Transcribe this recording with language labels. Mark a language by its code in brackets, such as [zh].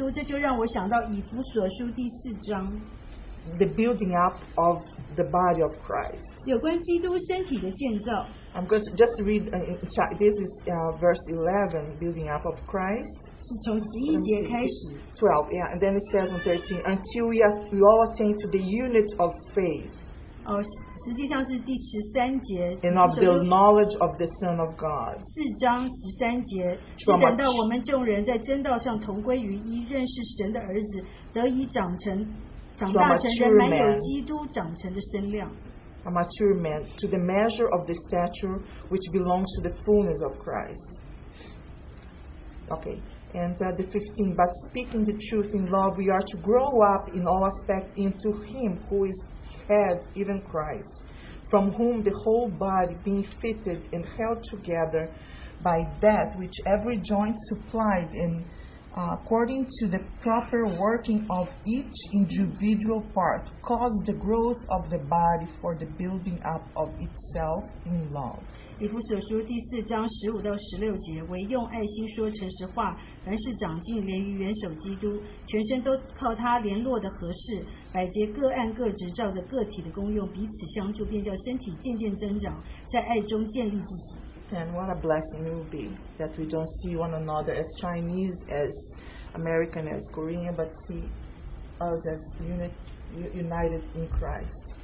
[zh] 那所以我经历的是他们里头的基督，这就让我想到以弗所书第四章。 [en] The building up of the body of Christ. [zh] 有关基督身体的建造。 [en] I'm going to just read, this is verse 11, building up of Christ. [zh] 是从11节开始。 [en] 12, yeah, and then it says on 13, until we all attain to the unit of faith. [zh] 实际上是第13节, [en] and of the knowledge of the Son of God. [zh] 4章13节, 是等到我们众人在真道上同归于一, 认识神的儿子, 得以长成, 长大成人满有基督长成的身量。 [en] A mature man to the measure of the stature which belongs to the fullness of Christ. Okay, and the 15, but speaking the truth in love, we are to grow up in all aspects into Him who is head, even Christ, from whom the whole body, being fitted and held together by that which every joint supplies, and according to the proper working of each individual part, cause the growth of the body for the building up of itself in love. [zh] 以弗所书第四章15到16节，惟用爱心说诚实话，凡事长进连于元首基督，全身都靠他联络的合适，百节各按各职照着个体的功用彼此相助，便叫身体渐渐增长，在爱中建立自己。 [en] And what a blessing it will be that we don't see one another as Chinese, as American, as Korean, but see us as united in Christ.